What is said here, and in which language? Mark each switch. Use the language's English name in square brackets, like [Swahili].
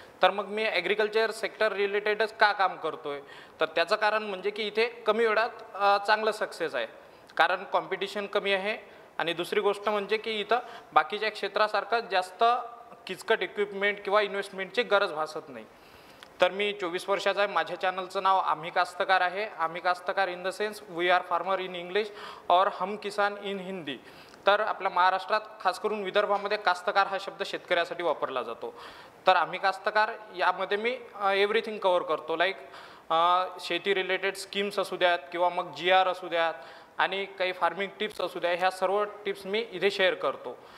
[Marathi] तर मग मी agriculture sector रिलेटेडच का काम करतो आहे, तर त्याचं कारण म्हणजे की इथे कमी वेळात चांगलं सक्सेस आहे, कारण कॉम्पिटिशन कमी आहे. आणि दुसरी गोष्ट म्हणजे की इथं बाकीच्या क्षेत्रासारखं जास्त किचकट इक्विपमेंट किंवा इन्व्हेस्टमेंटची गरज भासत नाही. तर मी 24 वर्षाचा आहे, माझ्या चॅनलचं नाव आम्ही कास्तकार आहे. [English] आम्ही कास्तकार in the sense we are farmer in English [Hindi] और हम किसान [English] In Hindi. [Marathi] तर आपल्या महाराष्ट्रात खास करून विदर्भामध्ये कास्तकार हा शब्द शेतकऱ्यासाठी वापरला जातो. तर आम्ही कास्तकार यामध्ये मी एव्हरीथिंग कवर करतो, लाईक शेती रिलेटेड स्कीम्स असू द्यात किंवा मग GR असू द्यात आणि काही फार्मिंग टिप्स असू द्या, ह्या सर्व टिप्स मी इथे शेअर करतो.